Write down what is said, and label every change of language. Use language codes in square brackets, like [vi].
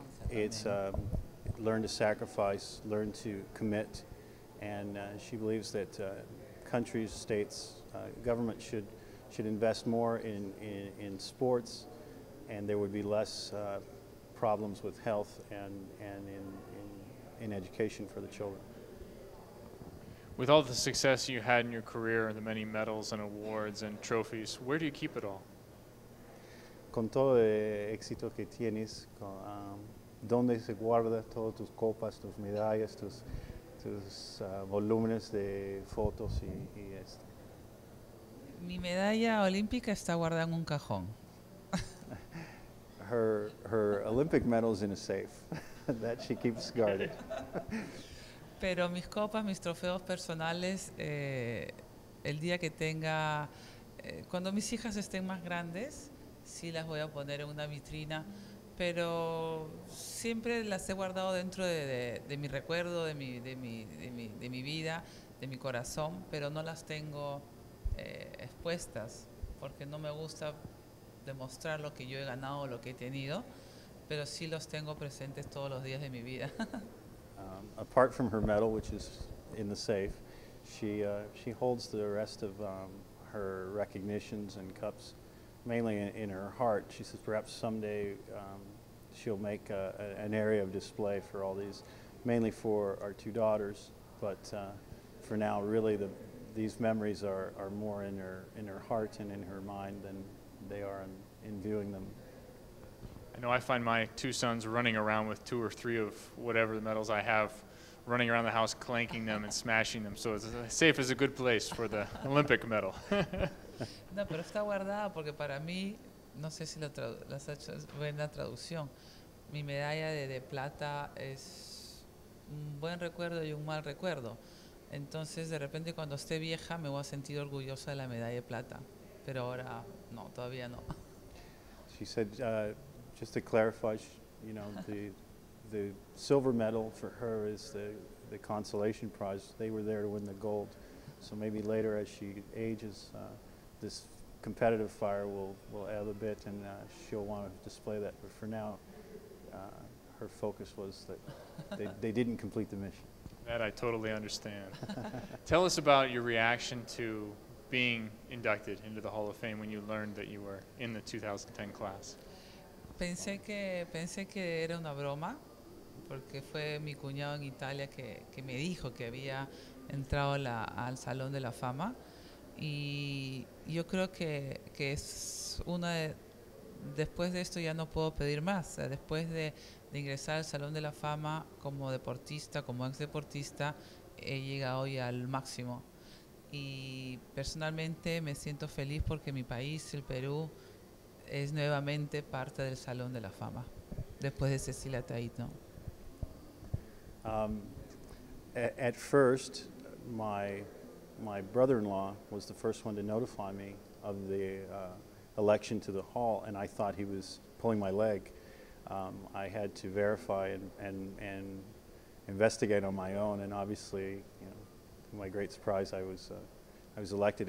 [en] It's learn to sacrifice, learn to commit, and she believes that countries, states, government should invest more in sports, and there would be less problems with health and in education for the children. With all the success you had in your career, the many medals and awards and trophies, where do you keep it all? [es] Con todo el éxito que tienes, ¿dónde se guarda todas tus copas, tus medallas, tus volúmenes de fotos y esto? Mi medalla olímpica está guardada en un cajón. [en] Her Olympic medal is in a safe that she keeps guarded. [es] Pero mis copas, mis trofeos personales, el día que tenga, cuando mis hijas estén más grandes, sí las voy a poner en una vitrina, pero siempre las he guardado dentro de mi recuerdo, de mi vida, de mi corazón, pero no las tengo expuestas porque no me gusta demostrar lo que yo he ganado, lo que he tenido, pero sí los tengo presentes todos los días de mi vida. [en] Apart from her medal, which is in the safe, she holds the rest of her recognitions and cups mainly in her heart. She says perhaps someday she'll make an area of display for all these, mainly for our two daughters, but for now, really, these memories are more in her heart and in her mind than they are in viewing them. I know I find my two sons running around with two or three of whatever the medals I have, running around the house, clanking them and smashing them. So it's safe is a good place for the Olympic medal. [es] No, pero está guardada porque para mí, no sé si las has hecho en la traducción. Mi medalla de plata es un buen recuerdo y un mal recuerdo. Entonces, de repente, cuando esté vieja, me voy a sentir orgullosa de la medalla de plata. Pero ahora, no, todavía no. [en] She said, just to clarify, you know, the silver medal for her is the consolation prize. They were there to win the gold. So maybe later, as she ages, this competitive fire will ebb a bit, and she'll want to display that. But for now, her focus was that they didn't complete the mission. That I totally understand. Tell us about your reaction to being inducted into the Hall of Fame when you learned that you were in the 2010 class. [es] Pensé que era una broma, porque fue mi cuñado en Italia que me dijo que había entrado al Salón de la Fama. Y yo creo que es una de... Después de esto ya no puedo pedir más. Después de ingresar al Salón de la Fama como deportista, como ex deportista, he llegado ya al máximo. Y personalmente me siento feliz porque mi país, el Perú, es nuevamente parte del Salón de la Fama, después de Cecilia Taito. [en] At first, my brother-in-law was the first one to notify me of the election to the hall, and I thought he was pulling my leg. I had to verify and investigate on my own, and obviously, you know, to my great surprise, I was elected.